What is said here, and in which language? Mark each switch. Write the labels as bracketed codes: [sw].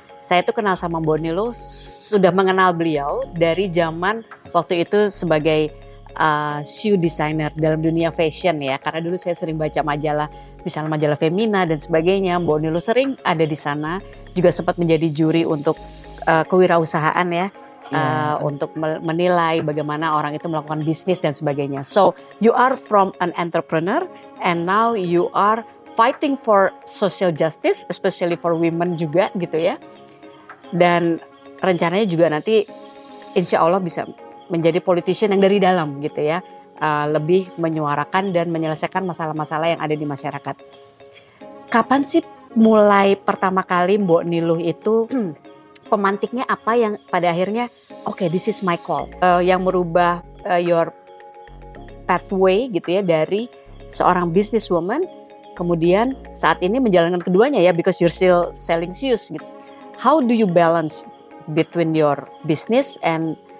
[id] Saya tuh kenal sama Mbok Niluh, sudah mengenal beliau dari zaman waktu itu sebagai shoe designer dalam dunia fashion ya. Karena dulu saya sering baca majalah, misalnya majalah Femina dan sebagainya, Mbok Niluh sering ada di sana. Juga sempat menjadi juri untuk kewirausahaan ya, untuk menilai bagaimana orang itu melakukan bisnis dan sebagainya. [en] So, you are from an entrepreneur and now you are fighting for social justice, especially for women [id] juga gitu ya. Dan rencananya juga nanti insya Allah bisa menjadi politician yang dari dalam gitu ya, lebih menyuarakan dan menyelesaikan masalah-masalah yang ada di masyarakat. Kapan sih mulai pertama kali Mbok Niluh itu pemantiknya apa yang pada akhirnya [en] okay, this is my call, [id] yang merubah [en] your pathway [id] gitu ya, dari seorang businesswoman kemudian saat ini menjalankan keduanya ya, [en] because you're still selling shoes [id] gitu. [en] How do you balance between your business and